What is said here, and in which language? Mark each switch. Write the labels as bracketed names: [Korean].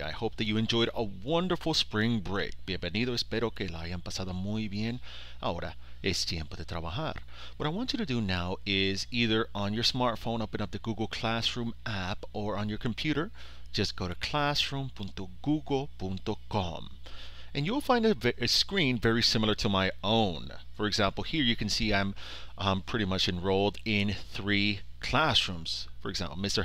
[English] I hope that you enjoyed a wonderful spring break. [Spanish] Bienvenido, espero que la hayan pasado muy bien. Ahora es tiempo de trabajar. [English] What I want you to do now is either on your smartphone, open up the Google Classroom app, or on your computer, just go to classroom.google.com. And you'll find a screen very similar to my own. For example, here you can see I'm pretty much enrolled in 3 classrooms. For example, Mr.